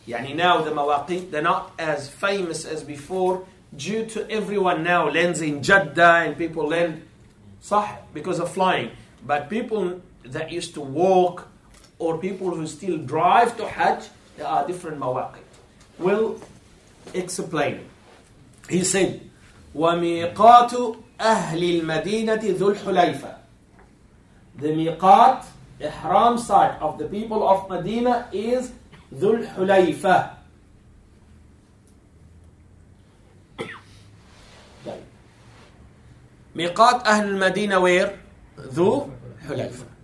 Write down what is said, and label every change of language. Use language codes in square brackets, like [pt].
[en] Yani now the mawaqid, they're not as famous as before due to everyone now lands in Jeddah and people land, sah, because of flying. But people that used to walk or people who still drive to Hajj, there are different mawaqid. Will explain. He said, [ar] وَمِيقَاتُ أَهْلِ الْمَدِينَةِ ذُو الْحُلَيْفَ. [en] The miqat, ihram site of the people of Medina is ذُو الْحُلَيْفَ. Miqat [ar] أَهْلِ الْمَدِينَةِ [en] where? [ar] ذُو الْحُلَيْفَ.